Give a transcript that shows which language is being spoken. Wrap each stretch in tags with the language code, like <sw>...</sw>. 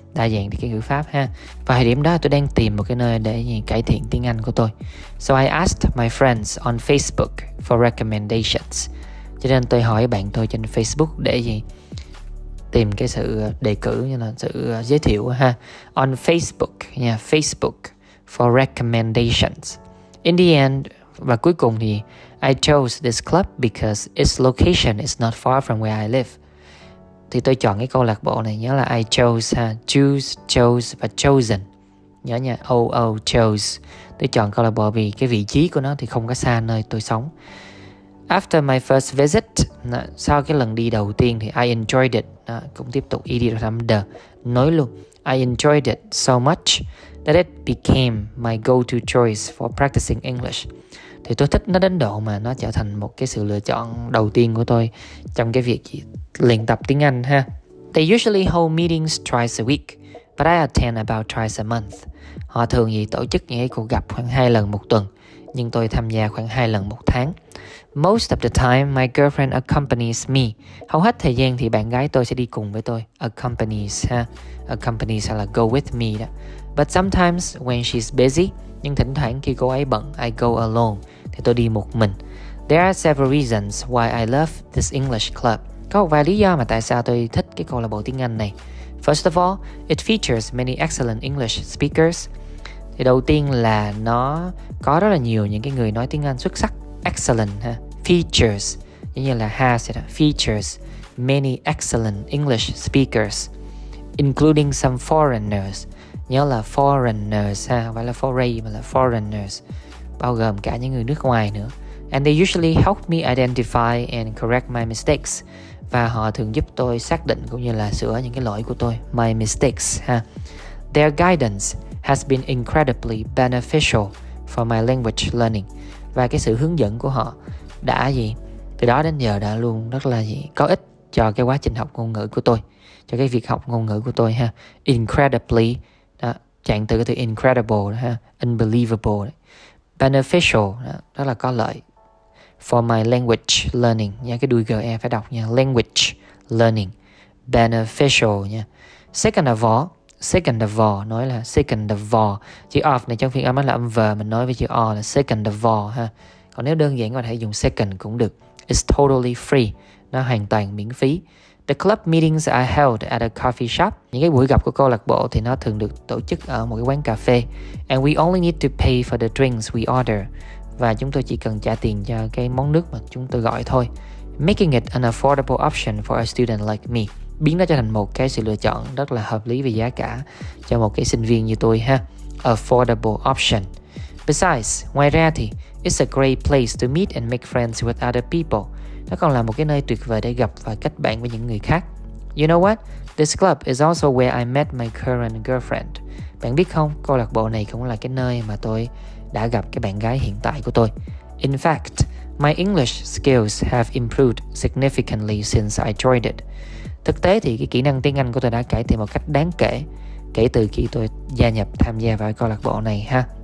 <vi>Đa dạng thì cái ngữ pháp ha. Vào thời điểm đó, tôi đang tìm một cái nơi để cải thiện tiếng Anh của tôi.</vi> <en>So I asked my friends on Facebook for recommendations.</en> <vi>Cho nên tôi hỏi bạn tôi trên Facebook để gì? Tìm cái sự đề cử, như là sự giới thiệu ha.</vi> <en>On Facebook, yeah, Facebook for recommendations. In the end,</en> <vi>Và cuối cùng thì</vi> <en>I chose this club because its location is not far from where I live.</en> <vi>Thì tôi chọn cái câu lạc bộ này, nhớ là</vi> <en>I chose</en> <vi>ha, choose, chose và chosen. Nhớ nha, O-O, chose. Tôi chọn câu lạc bộ vì cái vị trí của nó thì không có xa nơi tôi sống.</vi> <en>After my first visit,</en> <vi>sau cái lần đi đầu tiên thì</vi> <en>I enjoyed it.</en> <vi>Cũng tiếp tục ED thăm the, nói luôn</vi> <en>I enjoyed it so much that it became my go-to choice for practicing English.</en> <vi>Thì tôi thích nó đến độ mà nó trở thành một cái sự lựa chọn đầu tiên của tôi trong cái việc luyện tập tiếng Anh ha.</vi> <en>They usually hold meetings twice a week, but I attend about twice a month.</en> <vi>Họ thường thì tổ chức những cái cuộc gặp khoảng 2 lần một tuần, nhưng tôi tham gia khoảng 2 lần một tháng.</vi> <en>Most of the time, my girlfriend accompanies me.</en> <vi>Hầu hết thời gian thì bạn gái tôi sẽ đi cùng với tôi. Accompanies ha. Accompanies hay là</vi> <en>go with me</en> <vi>đó.</vi> <en>But sometimes when she's busy,</en> <vi>nhưng thỉnh thoảng khi cô ấy bận,</vi> <en>I go alone,</en> <vi>thì tôi đi một mình.</vi> <en>There are several reasons why I love this English club.</en> <vi>Có một vài lý do mà tại sao tôi thích cái câu lạc bộ tiếng Anh này.</vi> <en>First of all, it features many excellent English speakers.</en> <vi>Thì đầu tiên là nó có rất là nhiều những cái người nói tiếng Anh xuất sắc.</vi> <en>Excellent ha. Features,</en> <vi>giống như là</vi> <en>has it, features many excellent English speakers, including some foreigners.</en> <vi>Nhớ là foreigners ha, không phải là foray mà là foreigners, bao gồm cả những người nước ngoài nữa.</vi> <en>And they usually help me identify and correct my mistakes.</en> <vi>Và họ thường giúp tôi xác định cũng như là sửa những cái lỗi của tôi.</vi> <en>My mistakes ha. Their guidance has been incredibly beneficial for my language learning.</en> <vi>Và cái sự hướng dẫn của họ đã gì? Từ đó đến giờ đã luôn rất là gì? Có ích cho cái quá trình học ngôn ngữ của tôi, cho cái việc học ngôn ngữ của tôi ha. Incredibly đó, chạm từ cái từ incredible đó, ha. Unbelievable đó. Beneficial đó, rất là có lợi.</vi> <en>For my language learning</en> <vi>nha, cái đuôi GE phải đọc nha.</vi> <en>Language learning beneficial nha. Second of all,</en> <vi>nói là</vi> <en>second of all.</en> <vi>Chữ of này trong phiên âm là âm V, mình nói với chữ O là second of all ha. Còn nếu đơn giản có thể dùng second cũng được.</vi> <en>It's totally free,</en> <vi>nó hoàn toàn miễn phí.</vi> <en>The club meetings are held at a coffee shop.</en> <vi>Những cái buổi gặp của câu lạc bộ thì nó thường được tổ chức ở một cái quán cà phê.</vi> <en>And we only need to pay for the drinks we order.</en> <vi>Và chúng tôi chỉ cần trả tiền cho cái món nước mà chúng tôi gọi thôi.</vi> <en>Making it an affordable option for a student like me.</en> <vi>Biến nó trở thành một cái sự lựa chọn rất là hợp lý về giá cả cho một cái sinh viên như tôi ha.</vi> <en>Affordable option. Besides,</en> <vi>ngoài ra thì</vi> <en>it's a great place to meet and make friends with other people.</en> <vi>Nó còn là một cái nơi tuyệt vời để gặp và kết bạn với những người khác.</vi> <en>You know what? This club is also where I met my current girlfriend.</en> <vi>Bạn biết không, câu lạc bộ này cũng là cái nơi mà tôi đã gặp cái bạn gái hiện tại của tôi.</vi> <en>In fact, my English skills have improved significantly since I joined it.</en> <vi>Thực tế thì cái kỹ năng tiếng Anh của tôi đã cải thiện một cách đáng kể kể từ khi tôi gia nhập tham gia vào câu lạc bộ này ha.</vi>